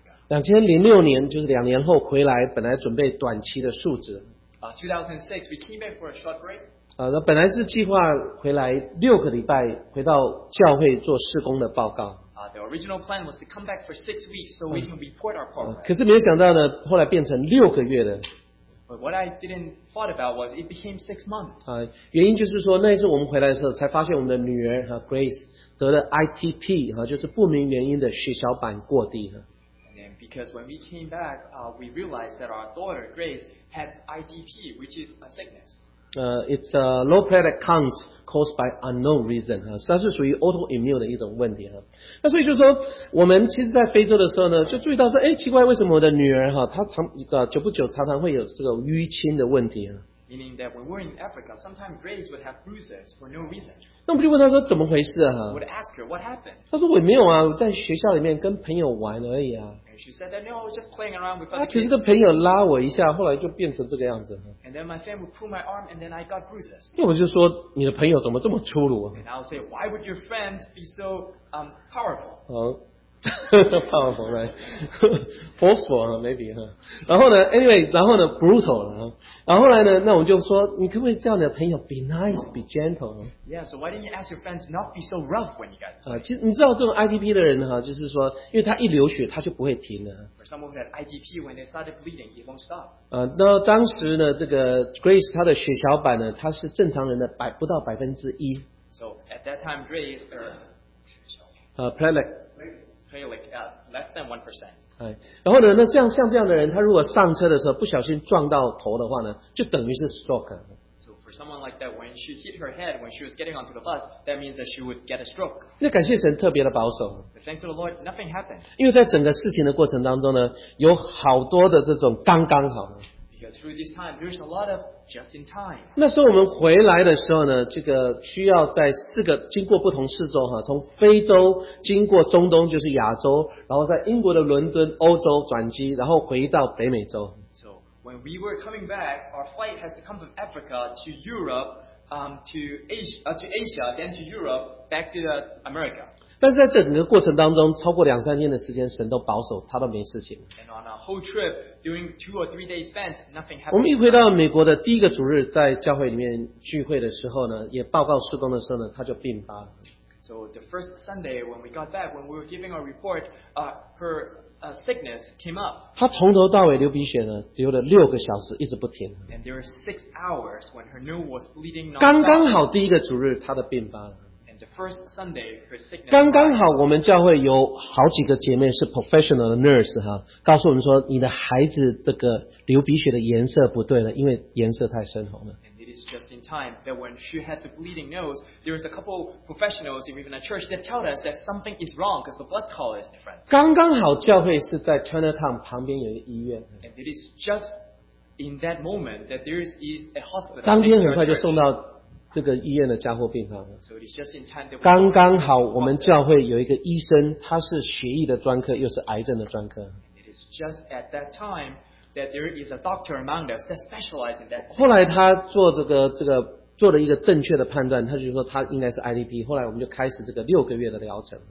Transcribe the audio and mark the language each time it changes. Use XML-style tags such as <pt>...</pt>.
<zh>2006年就是两年后回来，本来准备短期的述职。</zh> <en>2006, we came back for a short break.</en> <zh>那本来是计划回来6个礼拜，回到教会做事工的报告。</zh> <en>The original plan was to come back for 6 weeks so we can report our progress.</en> <zh>可是没想到呢，后来变成6个月的。</zh> <en>But what I didn't thought about was it became 6 months.</en> <zh>原因就是说那一次我们回来的时候才发现我们的女儿和 Grace 得了 ITP, 就是不明原因的血小板过低。</zh> <en>And then because when we came back, we realized that our daughter Grace had ITP, which is a sickness. It's a low platelet count caused by unknown reason.</en> <zh>它是属于 autoimmune 的一种问题。那所以就是说我们其实在非洲的时候呢，就注意到说，奇怪，为什么我的女儿她久不久常常会有这个淤青的问题。</zh> <en>Meaning that when we're in Africa, sometimes Grace would have bruises for no reason.</en> <zh>那我们就问她说怎么回事啊？</zh> <en>Would ask her what happened.</en> <zh>她说我没有啊，我在学校里面跟朋友玩而已啊。</zh> <en>She said that, no, I was just playing around with other kids.</en> <zh>其实个朋友拉我一下，后来就变成这个样子。</zh> <en>And then my friend would pull my arm, and then I got bruises.</en> <zh>那我就说，你的朋友怎么这么粗鲁啊？</zh> <en>And I'll say, why would your friends be so powerful? powerful, right? Forceful, maybe.</en> <zh>然后呢 ，anyway， 然后呢 ，brutal， 然后来呢，那我们就说，你可不可以叫你的朋友</zh> <en>be nice, be gentle? Yeah, so why didn't you ask your friends not be so rough when you guys?</en> <zh>其实你知道这种 ITP 的人就是说，因为他一流血，他就不会停了。</zh> <en>For someone that ITP, when they started bleeding, it won't stop.</en> <zh>那当时呢，这个 Grace 她的血小板呢，它是正常人的不到1%。</zh> <en>So at that time, Grace her platelet. Less than 1%.</en> <zh>然后呢，像这样的人，他如果上车的时候不小心撞到头的话呢，就等于是 stroke。</zh> <en>So for someone like that, when she hit her head when she was getting onto the bus, that means that she would get a stroke.</en> <zh>那感谢神特别的保守。</zh> <en>But thanks to the Lord, nothing happened.</en> <zh>因为在整个事情的过程当中呢，有好多的这种刚刚好。</zh> <en>Because through this time, there's a lot of just in time.</en> <zh>那时候我们回来的时候呢，这个需要在经过不同4周哈，从非洲经过中东就是亚洲，然后在英国的伦敦欧洲转机，然后回到北美洲。</zh> <en>So when we were coming back, our flight has to come from Africa to Europe, to Asia, then to Europe, back to America.</en> <zh>但是在整个过程当中，超过2-3天的时间，神都保守，他都没事情。</zh> <en>And on our whole trip. During 2 or 3 days spent, nothing happened.</en> <zh>我们一回到美国的第一个主日，在教会里面聚会的时候呢，也报告事工的时候呢，他就病发了。</zh> <en>So the first Sunday when we got back, when we were giving our report, her sickness came up.</en> <zh>他从头到尾流鼻血呢，流了6个小时，一直不停。</zh> <en>And there were 6 hours when her nose was bleeding.</en> <zh>刚刚好第一个主日，他的病发了。</zh> <en>The first Sunday, her sickness.</en> <zh>刚刚好，我们教会有好几个姐妹是 professional 的 nurse 哈，告诉我们说你的孩子这个流鼻血的颜色不对了，因为颜色太深红了。</zh> <en>And it is just in time that when she had the bleeding nose, there was a couple professionals in even a church that told us that something is wrong because the blood color is different.</en> <zh>刚刚好，教会是在 Chinatown 旁边有一个医院。</zh> <en>And it is just in that moment that there is a hospital.</en> <zh>当天很快就送到。这个医院的加护病房。</zh> <en>So it is just in time that we</en> <zh>刚刚好我们教会有一个医生，他是血液的专科，又是癌症的专科。</zh> <en>It is just at that time that there is a doctor among us that specializes in that.</en> <zh>后来他做做了一个正确的判断，他就说他应该是 IDP。后来我们就开始这个6个月的疗程。</zh>